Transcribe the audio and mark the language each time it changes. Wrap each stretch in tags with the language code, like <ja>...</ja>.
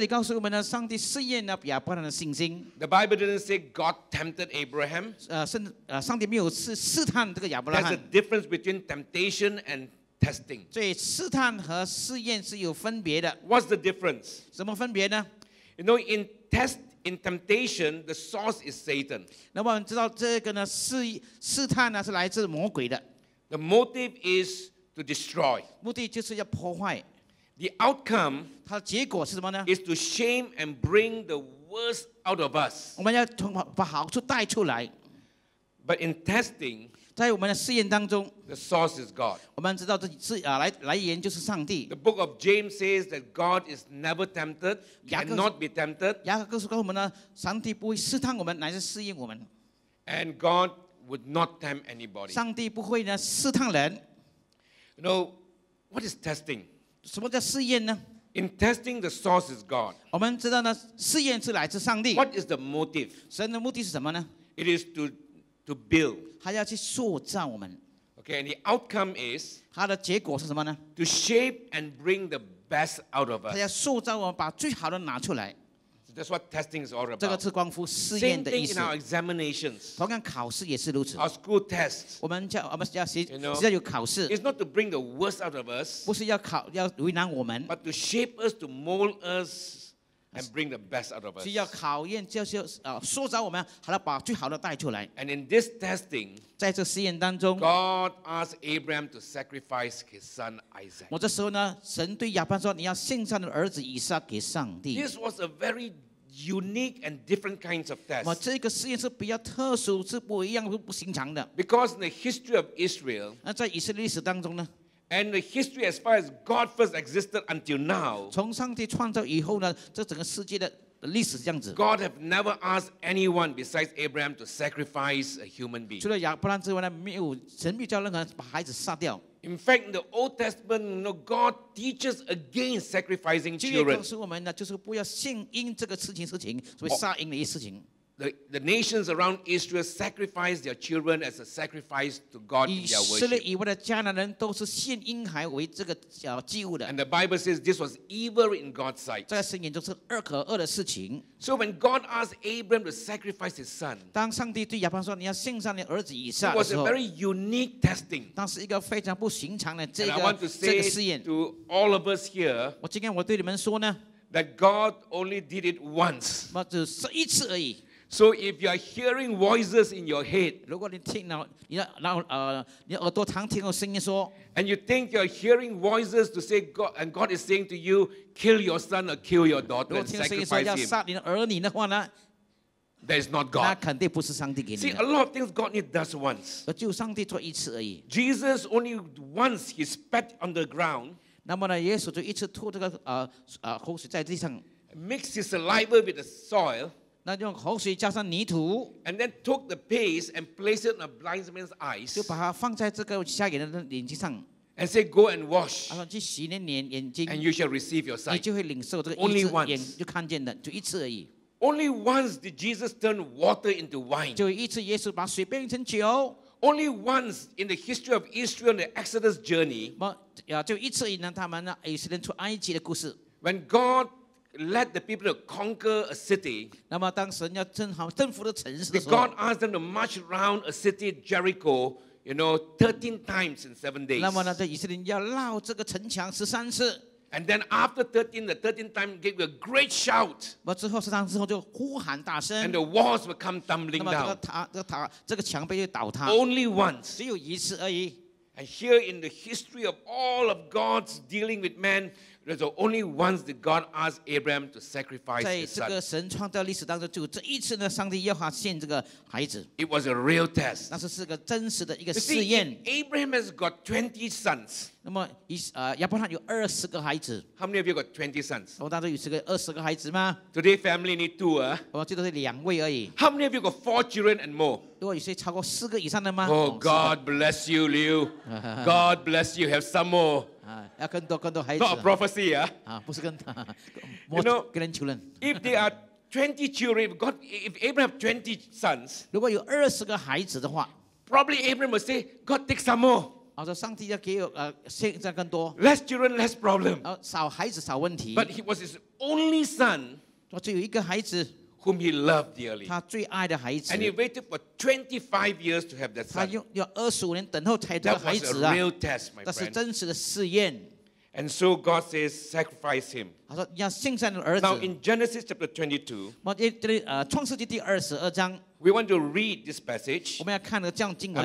<en>The Bible didn't say God tempted Abraham. There's a difference between temptation and testing. What's the difference?</en> <zh>怎么分别呢?</zh> <en>You know, in test, in temptation, the source is Satan.</en> <zh>那么我们知道这个呢，试探呢是来自魔鬼的。</zh> <en>The motive is to destroy.</en> <zh>目的就是要破坏。</zh> <en>The outcome,</en> <zh>它的结果是什么呢?</zh> <en>Is to shame and bring the worst out of us.</en> <zh>我们要把好处带出来。</zh> <en>But in testing,</en> <zh>在我们的试验当中,</zh> <en>the source is God.</en> <zh>我们知道这是来源就是上帝。</zh> <en>The book of James says that God is never tempted, cannot be tempted.</en> <zh>雅各告诉我们呢, 上帝不会试探我们, 乃是试验我们。</zh> <en>And God would not tempt anybody.</en> <zh>上帝不会呢, 试探人。</zh> <en>You know, what is testing?</en> <zh>什么叫试验呢?</zh> <en>In testing, the source is God.</en> <zh>我们知道呢, 试验是来自上帝。</zh> <en>What is the motive?</en> <zh>神的目的是什么呢?</zh> <en>It is to build.</en> <zh>他要去塑造我们。</zh> <en>Okay, and the outcome is</en> <zh>他的结果是什么呢?</zh> <en>To shape and bring the best out of us.</en> <zh>他要塑造我们, 把最好的拿出来。</zh> <en>So that's what testing is all about.</en> <zh>这个是关乎试验的意思。</zh> <en>Same thing in our examinations.</en> <zh>同样考试也是如此。</zh> <en>Our school tests.</en> <zh>我们叫实际上有考试。</zh> <en>It's not to bring the worst out of us.</en> <zh>不是要为难我们。</zh> <en>But to shape us, to mold us, and bring the best out of us.</en> <zh>需要考验，就是塑造我们，好了，把最好的带出来。</zh> <en>And in this testing,</en> <zh>在这试验当中,</zh> <en>God asked Abraham to sacrifice his son Isaac.</en> <zh>我这时候呢, 神对亚伯拉罕说, 你要献上你的儿子以撒给上帝。</zh> <en>This was a very unique and different kinds of tests.</en> <zh>这个试验是比较特殊, 是不一样, 不寻常的。</zh> <en>Because in the history of Israel,</en> <zh>在以色列历史当中呢,</zh> <en>and the history as far as God first existed until now,</en> <zh>从上帝创造以后呢，这整个世界的历史这样子。</zh> <en>God have never asked anyone besides Abraham to sacrifice a human being.</en> <zh>除了亚伯拉罕之外呢，没有神没有叫任何把孩子杀掉。</zh> <en>In fact, in the Old Testament, you know, God teaches against sacrificing children.</en> <zh>就是不要献婴这个事情，所以杀婴的一事情。</zh> <en>The nations around Israel sacrificed their children as a sacrifice to God in their worship. And the Bible says this was evil in God's sight. So when God asked Abraham to sacrifice his son, it was a very unique testing. And I want to say to all of us here that God only did it once. So if you are hearing voices in your head,</en> <zh>如果你听到你耳朵常听到声音说,</zh> <en>and you think you are hearing voices to say God, and God is saying to you, kill your son or kill your daughter and sacrifice him,</en> <zh>如果听声音说要杀你的儿女的话呢,</zh> <en>that is not God.</en> <zh>那肯定不是上帝给你的。</zh> <en>See, a lot of things God only does once.</en> <zh>就上帝做一次而已。</zh> <en>Jesus only once he spat on the ground,</en> <zh>那么呢耶稣就一次吐这个, 口水在地上,</zh> <en>mixed his saliva with the soil, and then took the paste and placed it on a blind man's eyes and said, go and wash, and you shall receive your sight. Only once.</en> <zh>就看见的, 就一次而已。</zh> <en>Only once did Jesus turn water into wine.</en> <zh>就一次耶稣把水变成酒。</zh> <en>Only once in the history of Israel, the Exodus journey,</en> <zh>就一次呢，他们呢，以色列出埃及的故事。</zh> <en>When God led the people to conquer a city,</en> <zh>那么当神要征服征服的城市的时候</zh> <en>，God asked them to march around a city, Jericho, you know, 13 times in 7 days.</en> <zh>那么呢，在以色列要绕这个城墙13次。</zh> <en>And then after 13, the 13th time gave a great shout.</en> <zh>之后13之后就呼喊大声。</zh> <en>And the walls would come tumbling down.</en> <zh>那么这个墙被倒塌。</zh> <en>Only once.</en> <zh>只有一次而已。</zh> <en>And here in the history of all of God's dealing with man, there's only once that God asked Abraham to sacrifice his son.</en> <zh>在这个神创造历史当中，就这一次呢，上帝要他献这个孩子。</zh> <en>It was a real test.</en> <zh>那是个真实的一个试验。</zh> <en>You see, Abraham has got 20 sons.</en> <zh>那么亚伯拉罕有20个孩子。</zh> <en>How many of you got 20 sons?</en> <zh>我当中有20个孩子吗</zh> <en>？Today family need two.</en> <zh>我最多是两位而已。</zh> <en>How many of you got 4 children and more?</en> <zh>如果有些超过四个以上的吗</zh> <en>？Oh God bless you, Liu. God bless you. Have some more.</en> <zh>要更多孩子。</zh> <en>Not a prophecy,</en> <zh>不是跟</zh> <en>more grandchildren. If there are 20 children, if Abraham have 20 sons,</en> <zh>如果有20个孩子的话</zh> <en>，Probably Abraham will say, God take some more.</en> <zh>我说上帝要给我现在更多。</zh> <en>Less children, less problem.</en> <zh>少孩子少问题。</zh> <en>But he was his only son.</en> <zh>我只有一个孩子。</zh> <en>Whom he loved dearly.</en> <zh>他最爱的孩子。</zh> <en>And he waited for 25 years to have that son.</en> <zh>他用25年等候才得孩子啊。</zh> <en>That was a real test, my friend.</en> <zh>那是真实的试验。</zh> <en>And so God says, sacrifice him.</en> <zh>他说要献上你的儿子。</zh> <en>Now in Genesis chapter 22.</en> <zh>创世纪第22章。</zh> <en>We want to read this passage.</en> <zh>我们要看这样经文。</zh>